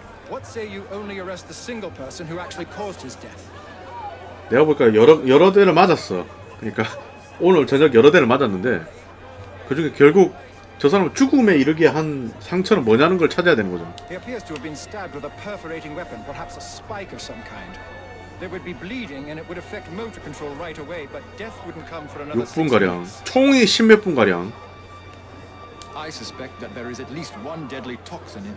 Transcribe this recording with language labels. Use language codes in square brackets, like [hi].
[en] What say you only arrest the single person who actually caused his death? [ko] 내가 보니까 여러 대를 맞았어. 그러니까 오늘 저녁 여러 대를 맞았는데 그중에 결국 저 사람 죽음에 이르게 한 상처는 뭐냐는 걸 찾아야 되는 거죠. [en] He appears to have been stabbed with a perforating weapon, perhaps a spike of some kind. There would be bleeding and it would affect motor control right away, but death wouldn't come for another 6분 가량. [ko] 총이 십몇 분 가량. [en] I suspect that there is at least one deadly toxin in.